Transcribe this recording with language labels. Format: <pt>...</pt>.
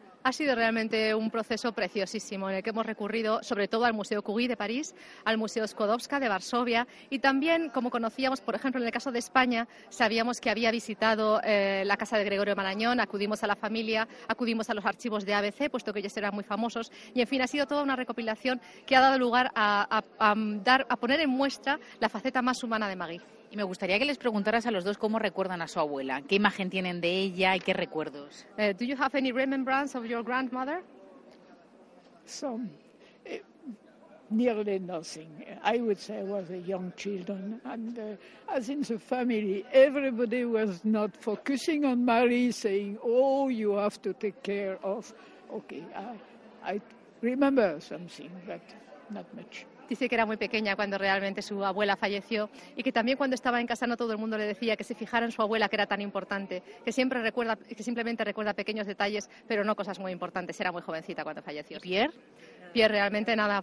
<es>Ha sido realmente un proceso preciosísimo en el que hemos recurrido sobre todo al Museo Curie de París, al Museo Skłodowska de Varsovia y también, como conocíamos, por ejemplo, en el caso de España, sabíamos que había visitado la casa de Gregorio Marañón, acudimos a la familia, acudimos a los archivos de ABC, puesto que ellos eran muy famosos, y en fin, ha sido toda una recopilación que ha dado lugar a poner en muestra la faceta más humana de Marie. Y me gustaría que les preguntaras a los dos cómo recuerdan a su abuela. ¿Qué imagen tienen de ella y qué recuerdos?</es> <en>Do you have any remembrance of your grandmother? Some. Nearly nothing. I would say I was a young child. And as in the family, everybody was not focusing on Marie, saying, oh, you have to take care of... Okay, I remember something, but not much.</en> <es>Dice que era muy pequeña cuando realmente su abuela falleció y que también cuando estaba en casa no todo el mundo le decía que se fijara en su abuela, que era tan importante, que siempre recuerda, que simplemente recuerda pequeños detalles, pero no cosas muy importantes. Era muy jovencita cuando falleció. ¿Pierre? Pierre realmente nada.</es>